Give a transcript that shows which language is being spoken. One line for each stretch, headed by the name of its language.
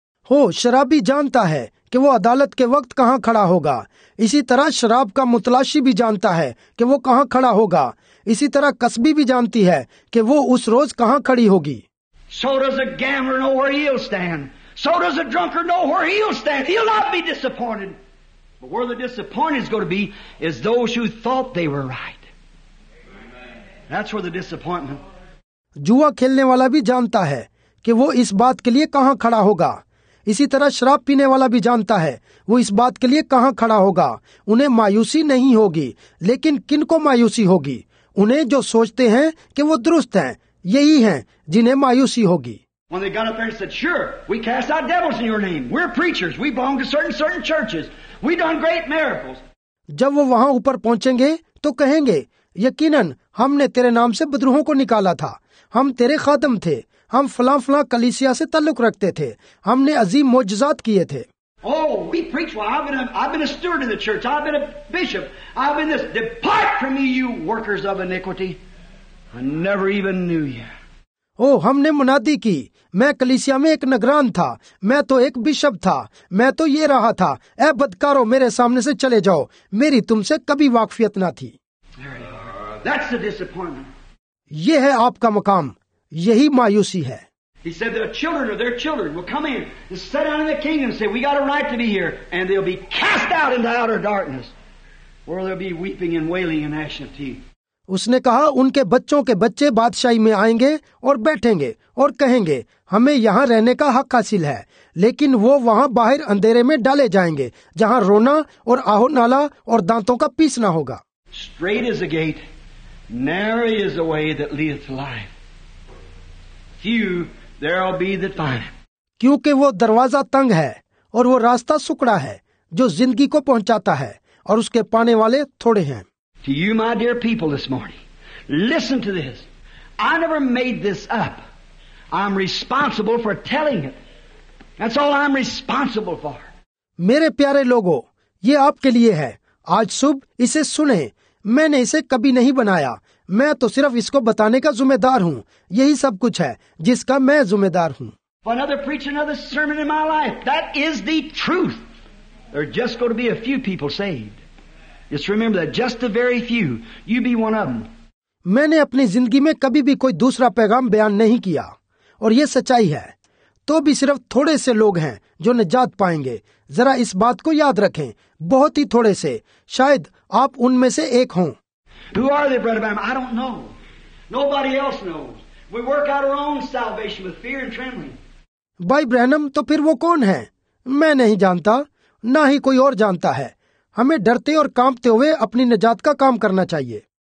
Hindi: हो शराबी जानता है कि वो अदालत के वक्त कहाँ खड़ा होगा। इसी तरह शराब का मुतलाशी भी जानता है कि वो कहाँ खड़ा होगा। इसी तरह कस्बी भी जानती है कि वो उस रोज कहाँ खड़ी होगी।
English: So does a gambler know where he'll stand. So does a drunkard know where he'll stand. He'll not be disappointed. But where the disappointment is going to be is those who thought they were right. That's where the disappointment.
Hindi: जुआ खेलने वाला भी जानता है कि वो इस बात के लिए कहाँ खड़ा होगा। इसी तरह शराब पीने वाला भी जानता है वो इस बात के लिए कहाँ खड़ा होगा। उन्हें मायूसी नहीं होगी, लेकिन किनको मायूसी होगी? उन्हें जो सोचते हैं कि वो दुरुस्त हैं, यही हैं जिन्हें मायूसी होगी।
English: When they got up there and said, "Sure, we cast out devils in your name. We're preachers. We belong to certain churches. We done great miracles."
Hindi: जब वो वहाँ ऊपर पहुँचेंगे तो कहेंगे, यकीनन हमने तेरे नाम से बदरूहों को निकाला था, हम तेरे खादम थे, हम फलां फलां कलीसिया से ताल्लुक रखते थे, हमने अजीम मौजजात किए थे।
English: Oh, we preach. Well, I've been a steward in the church. I've been a bishop. I've been this. Depart from me, you workers of iniquity. I never even knew you.
Hindi: ओ हमने मुनादी की, मैं कलीसिया में एक नगरान था, मैं तो एक बिशप था, मैं तो ये रहा था, ऐ बदकारो मेरे सामने से चले जाओ, मेरी तुमसे कभी वाकफियत ना थी।
English: That's the disappointment.
Hindi: ये है आपका मकाम, यही मायूसी है।
English: He said their children or their children will come in and sit down in the kingdom and say, we got a right to be here, and they'll be cast out into outer darkness, where there'll be weeping and wailing and gnashing of teeth.
Hindi: उसने कहा उनके बच्चों के बच्चे बादशाही में आएंगे और बैठेंगे और कहेंगे हमें यहाँ रहने का हक हासिल है, लेकिन वो वहाँ बाहर अंधेरे में डाले जाएंगे जहाँ रोना और आहो नाला और दांतों का पीसना होगा।
English: Straight is the gate, narrow is the way that leadeth to life. Few there'll be that find it.
Hindi: क्योंकि वो दरवाजा तंग है और वो रास्ता सुकड़ा है जो जिंदगी को पहुँचाता है और उसके पाने वाले थोड़े हैं।
English: To you, my dear people, this morning, listen to this. I never made this up. I'm responsible for telling it. That's all I'm responsible for.
Hindi: मेरे प्यारे लोगों, ये आपके लिए है। आज सुबह इसे सुने। मैंने इसे कभी नहीं बनाया। मैं तो सिर्फ इसको बताने का जुम्मेदार हूँ। यही सब कुछ है जिसका मैं जुम्मेदार हूँ।
English: For another preacher, another sermon in my life. That is the truth. There are just going to be a few people saved. Just remember that, just a very few. You be one of them.
Hindi: मैंने अपनी जिंदगी में कभी भी कोई दूसरा पैगाम बयान नहीं किया और ये सच्चाई है। तो भी सिर्फ थोड़े से लोग हैं जो निजात पाएंगे। जरा इस बात को याद रखें, बहुत ही थोड़े से, शायद आप उनमें से एक हों।
English: Who are they, Brother Bam? I don't know. Nobody else knows. We work out our own salvation with fear and trembling.
Hindi: भाई ब्रैनम, तो फिर वो कौन है? मैं नहीं जानता, ना ही कोई और जानता है। हमें डरते और कांपते हुए अपनी निजात का काम करना चाहिए।